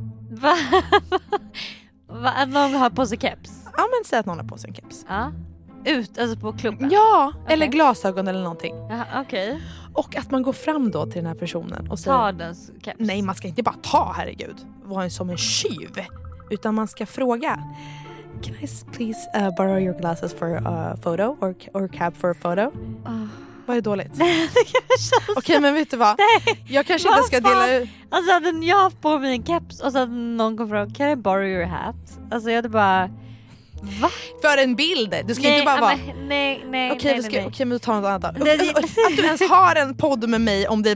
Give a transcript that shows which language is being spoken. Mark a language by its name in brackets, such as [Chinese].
[Swedish] Va? Va? Att någon har på sig keps? Ja, men säg att någon har på sig en keps. Ja. Ut, alltså på klubben? Ja, okay. Eller glasögon eller någonting. Jaha, okej. Okay. Och att man går fram då till den här personen och säger... Ta den keps. Nej, man ska inte bara ta, herregud. Var en som en tjuv. Utan man ska fråga... [English] Can I please borrow your glasses for a photo or cab for a photo? Oh. [Swedish] Vad är dåligt? Det känns... Okej, men vet du vad? Nej. Jag kanske inte ska dela ut... Alltså hade jag haft på mig en keps och så hade någon kom fram, [English] can I borrow your hat? [Swedish] Alltså jag hade bara... Va? För en bild? Du ska nej, inte bara vara... Nej. Okej, men du tar något annat. Att du ens har en podd med mig om dig.